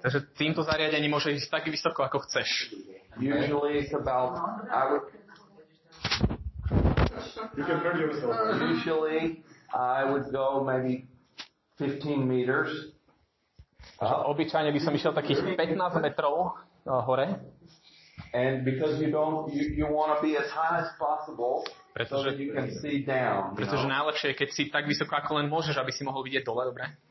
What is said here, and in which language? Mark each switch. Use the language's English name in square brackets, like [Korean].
[Slovak] Takže týmto zariadením môže ísť tak vysoko, ako chceš. [English] Usually it's about, I would go maybe 15 meters. [Slovak] Obyčajne by som išiel takých 15 metrov hore. [English] And because you want to be as high as possible, [Slovak] pretože, [English] so that you can see down. [Slovak] Pretože najlepšie je, keď si tak vysoko ako len môžeš, aby si mohol vidieť dole, dobre?